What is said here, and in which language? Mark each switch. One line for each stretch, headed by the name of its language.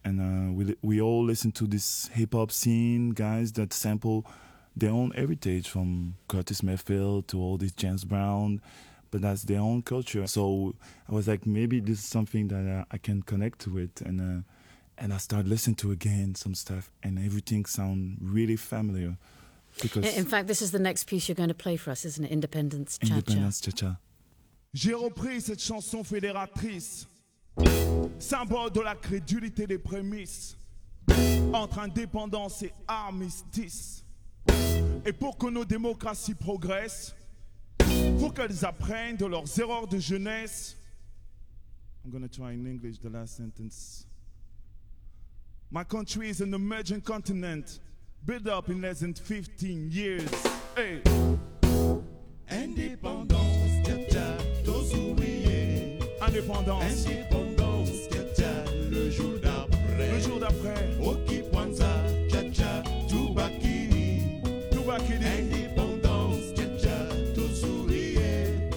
English: And we all listen to this hip-hop scene, guys that sample their own heritage, from Curtis Mayfield to all this James Brown, but that's their own culture. So I was like, maybe this is something that I can connect to it. And I started listening to again some stuff, and everything sound really familiar. Because in fact, this is the next piece you're going to play for us, isn't it? Independence Cha-Cha. Independence Cha-Cha.
French: J'ai repris cette chanson fédératrice, symbole de la crédulité des prémices, entre indépendance et armistice. Et pour que nos démocraties progressent, pour qu'elles apprennent de leurs erreurs de jeunesse.
English: I'm gonna try in English the last sentence. My country is an emerging continent, built up in less than 15 years. Hey.
French: Indépendance, cha-cha, tous ouvriers. Indépendance. Indépendance, cha-cha, le jour d'après. Le jour d'après. Okipwanza, cha-cha, Tubakini. Tubakini. Indépendance, cha-cha, tous ouvriers.